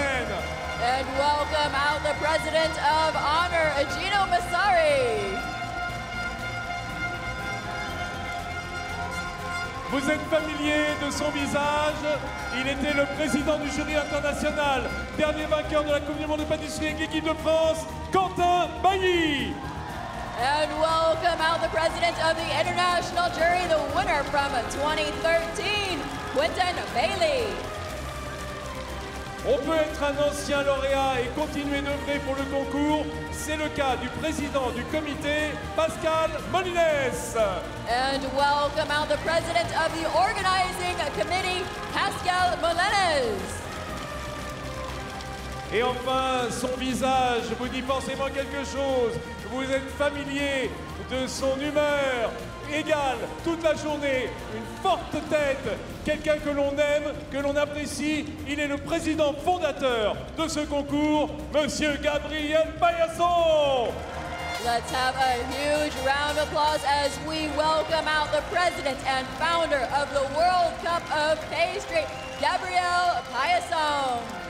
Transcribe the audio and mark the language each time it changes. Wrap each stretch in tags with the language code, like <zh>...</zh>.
<en>And welcome out the president of honor, Higinio Massari.</en> <fr>Vous êtes familier de son visage. Il était le président du jury international, dernier vainqueur de la Coupe du Monde de pâtisserie avec l'équipe de France, Quentin Bailly.</fr> <en>And welcome out the president of the international jury, the winner from 2013, Quentin Bailly.</en> <fr>On peut être un ancien lauréat et continuer d'œuvrer pour le concours. C'est le cas du président du comité, Pascal Molines.</fr> <en>And welcome out the president of the organizing committee, Pascal Molines.</en> <fr>Et enfin, son visage vous dit forcément quelque chose. Vous êtes familier de son humeur égale toute la journée, une forte tête, quelqu'un que l'on aime, que l'on apprécie. Il est le président fondateur de ce concours, Monsieur Gabriel Payasson.</fr> <en>Let's have a huge round of applause as we welcome out the president and founder of the World Cup of Pastry, Gabriel Payasson.</en>